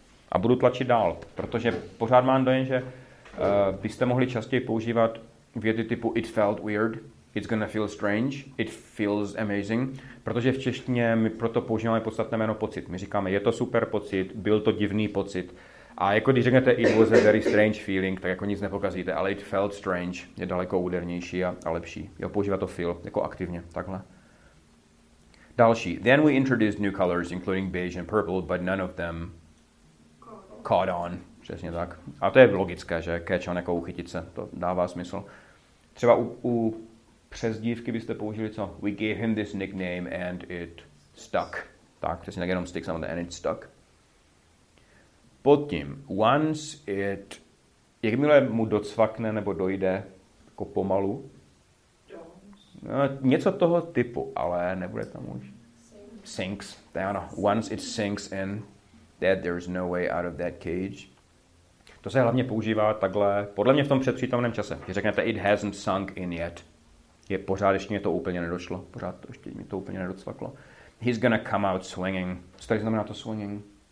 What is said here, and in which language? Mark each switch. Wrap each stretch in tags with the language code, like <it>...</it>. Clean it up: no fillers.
<cs>A budu tlačit dál, protože pořád mám dojem, že byste mohli častěji používat věty typu it felt weird, it's gonna feel strange, it feels amazing, protože v češtině my proto používáme podstatné jméno pocit. My říkáme, je to super pocit, byl to divný pocit. A jako když řeknete it was a very strange feeling, tak jako nic nepokazíte, ale it felt strange je daleko údernější a lepší. Jo, používat to feel jako aktivně, takhle. Další.</cs> <en>Then we introduced new colors, including beige and purple, but none of them...</en> <cs>caught on, přesně tak. A to je logické, že catch on, jako uchytit se, to dává smysl. Třeba u přezdívky byste použili co?</cs> <en>We gave him this nickname and it stuck.</en> <cs>Tak, přesně tak, jenom stick something and it stuck. Potom, once it, jakmile mu docvakne nebo dojde, jako pomalu. No, něco toho typu, ale nebude tam už. Sinks, to je ano. Once it sinks in.</cs> <en>That there's no way out of that cage.</en> <cs>To se hlavně používá takhle, podle mě v tom předpřítomném čase. Když řeknete it hasn't sunk in yet. Je pořád, ještě mi to úplně nedošlo. Pořád to ještě mi to úplně nedocvaklo.</cs> <en>He's gonna come out swinging. Co tady znamená to swinging?</en>